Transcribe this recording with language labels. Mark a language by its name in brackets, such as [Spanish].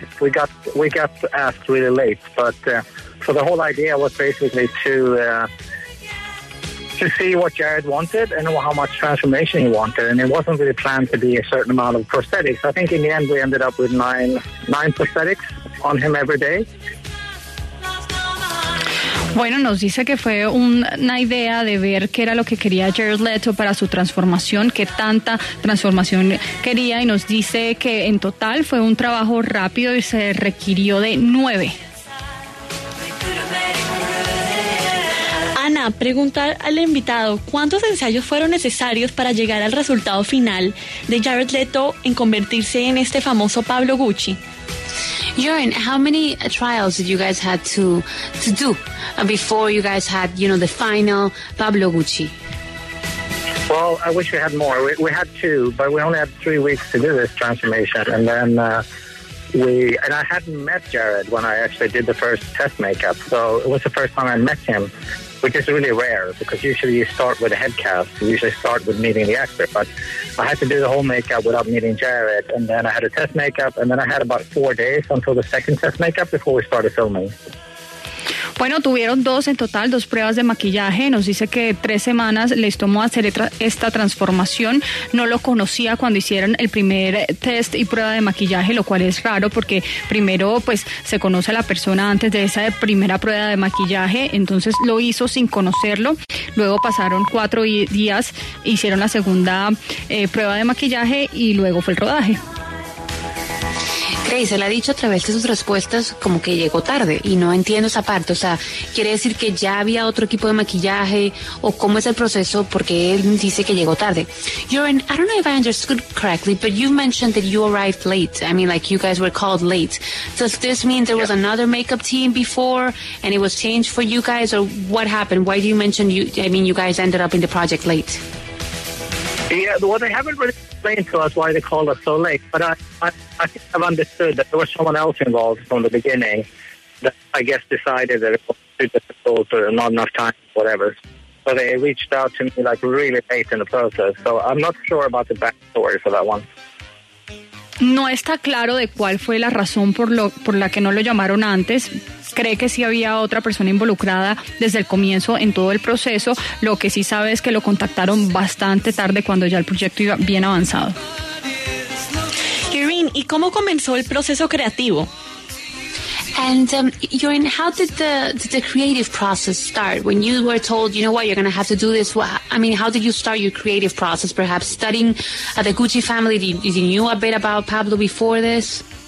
[English] We got asked really late, but so the whole idea was basically to see what Jared wanted and how much transformation he wanted, and it wasn't really planned to be a certain amount of prosthetics. I think in the end we ended up with nine prosthetics on him every day. [Spanish] Bueno, nos dice que fue una idea de ver qué era lo que quería Jared Leto para su transformación, qué tanta transformación quería, y nos dice que en total fue un trabajo rápido y se requirió de 9. Ana, preguntar al invitado, ¿cuántos ensayos fueron necesarios para llegar al resultado final de Jared Leto en convertirse en este famoso Pablo Gucci? [English] Joring, how many trials did you guys had to do before you guys had, you know, the final Pablo Gucci? Well, I wish we had more. We had two, but we only had 3 weeks to do this transformation. And then I hadn't met Jared when I actually did the first test makeup. So it was the first time I met him, which is really rare, because usually you start with a head cast. You usually start with meeting the actor. But I had to do the whole makeup without meeting Jared, and then I had a test makeup, and then I had about 4 days until the second test makeup before we started filming. [Spanish] Bueno, tuvieron dos en total, dos pruebas de maquillaje. Nos dice que 3 semanas les tomó hacer esta transformación. No lo conocía cuando hicieron el primer test y prueba de maquillaje, lo cual es raro porque primero pues se conoce a la persona antes de esa primera prueba de maquillaje. Entonces lo hizo sin conocerlo. Luego pasaron 4 días, hicieron la segunda prueba de maquillaje y luego fue el rodaje. Y se le ha dicho a través de sus respuestas como que llegó tarde, y no entiendo esa parte. O sea, ¿quiere decir que ya había otro equipo de maquillaje, o cómo es el proceso? Porque él dice que llegó tarde. [English] Joring, I don't know if I understood correctly, but you mentioned that you arrived late. I mean, like, you guys were called late. Does this mean there was another makeup team before and it was changed for you guys, or what happened? Why do you mention you guys ended up in the project late? Yeah, well, they haven't really explained to us why they called us so late, but I think I've understood that there was someone else involved from the beginning that I guess decided that it was too difficult or not enough time, whatever. So they reached out to me like really late in the process. So I'm not sure about the backstory for that one. [Spanish] No está claro de cuál fue la razón por la que no lo llamaron antes. Cree que sí había otra persona involucrada desde el comienzo en todo el proceso. Lo que sí sabe es que lo contactaron bastante tarde, cuando ya el proyecto iba bien avanzado. Joring, ¿y cómo comenzó el proceso creativo? [English] And Joring, how did the creative process start? When you were told, you know what, you're going to have to do this, how did you start your creative process? Perhaps studying the Gucci family? Did you know a bit about Pablo before this?